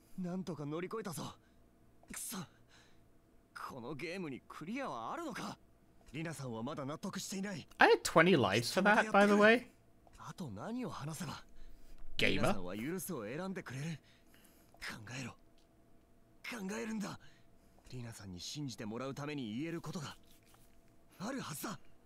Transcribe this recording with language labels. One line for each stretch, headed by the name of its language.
Japanese: なんとか乗り越えたぞ。くそ。このゲームにクリアはあるのか。リナさんはまだ納得していない。
English: I had 20 lives for that, by the way.
Japanese: あと何を話せば。ゲイマは許すを選んでくれる。考えろ。考えるんだ。リナさんに信じてもらうために言えることがあるはずだ。